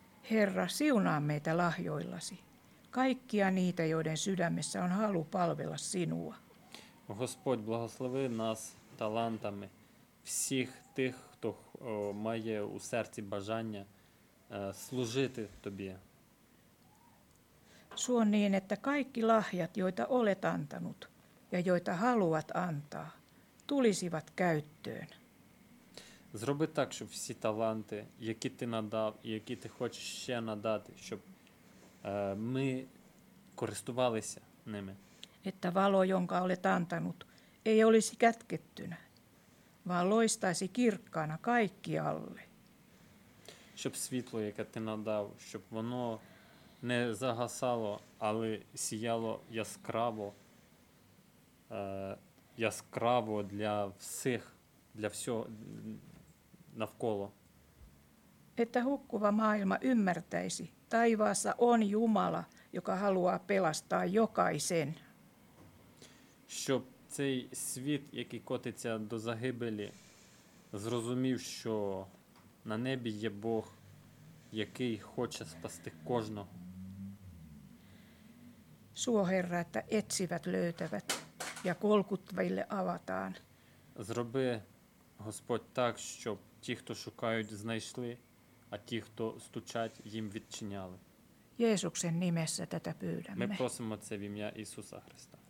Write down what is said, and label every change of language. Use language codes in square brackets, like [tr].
[fi] Herra, siunaa meitä lahjoillasi, kaikkia niitä, joiden sydämessä on halu palvella sinua. [uk] Господь, благослови нас талантами, всіх тих, хто має у серці бажання служити тобі. [fi] Suon niin, että kaikki lahjat, joita olet antanut ja joita haluat antaa, tulisivat käyttöön. [uk] Зроби так, щоб всі таланти, які ти надав і які ти хочеш ще надати, щоб ми користувалися ними. [fi] Että valo, jonka olet antanut, ei olisi kätkettynä, vaan loistaisi kirkkaana kaikkialle. [uk] Щоб світло, яке ти надав, щоб воно не загасало, але сіяло яскраво, яскраво для всіх, для всього навколо. [fi] Että hukkuva maailma ymmärtäisi, taivaassa on Jumala, joka haluaa pelastaa jokaisen. [uk] Щоб цей світ, який котиться до загибелі, зрозумів, що на небі є Бог, який хоче спасти кожного. [fi] Suo, Herra, että etsivät löytävät ja kolkuttaville avataan. [uk] Зроби, Господь, так, щоб ті, хто шукають, знайшли, а ті, хто стучать, їм відчиняли. [fi] Jeesuksen nimessä tätä pyydämme. [uk] Ми просимо це в ім'я Ісуса Христа.